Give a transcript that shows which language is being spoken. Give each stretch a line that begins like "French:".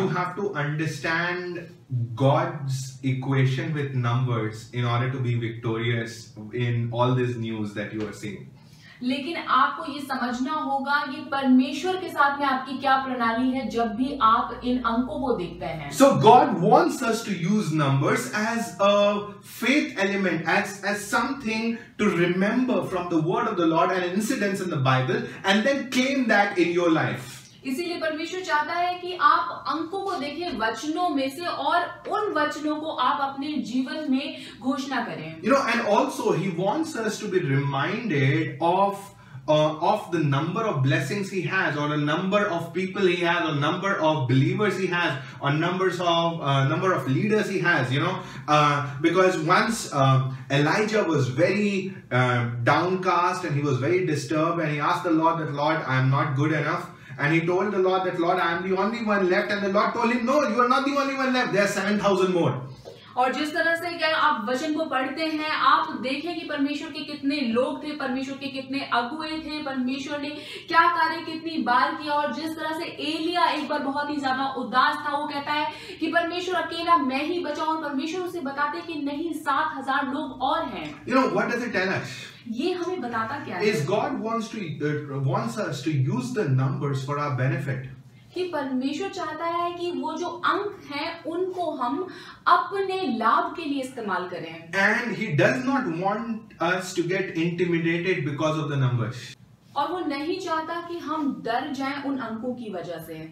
English: you have to understand God's equation with numbers in order to be victorious in all this news that you are seeing.
Hindi: लेकिन आपको ये समझना होगा कि परमेश्वर के साथ में आपकी क्या प्रणाली है जब भी आप इन अंकों को देखते हैं.
English: So God wants us to use numbers as a faith element, as something to remember from the word of the Lord and incidents in the Bible, and then claim that in your life.
Hindi: इसीलिए परमेश्वर चाहता है कि आप अंकों को देखें वचनों में से और उन वचनों को आप अपने जीवन में घोषणा करें.
English: You know, and also he wants us to be reminded of the number of blessings he has, or a number of people he has, or number of believers he has, or number of leaders he has. You know, because once Elijah was very downcast and he was very disturbed, and he asked the Lord that, Lord, I am not good enough. And he told the Lord that, Lord, I am the only one left. And the Lord told him, no, you are not the only one left. There are 7,000 more.
Hindi: और जिस तरह से क्या आप वचन को पढ़ते हैं, आप देखें कि परमेश्वर के कितने लोग थे, परमेश्वर के कितने अगुए थे, परमेश्वर ने क्या कार्य कितनी बार किया. और जिस तरह से एलिया एक बार बहुत ही ज्यादा उदास था, वो कहता है कि परमेश्वर अकेला मैं ही बचा, और परमेश्वर उसे बताते कि नहीं, 7,000 लोग और हैं.
English: You know, what does it tell us?
Hindi: ये हमें बताता क्या है?
English: Is God wants us to use the numbers for our benefit.
Hindi: कि परमेश्वर चाहता है कि वो जो अंक हैं उनको हम अपने लाभ के लिए इस्तेमाल करें.
English: And he does not want us to get intimidated because of the numbers.
Hindi: और वो नहीं चाहता कि हम डर जाएं उन अंकों की वजह से.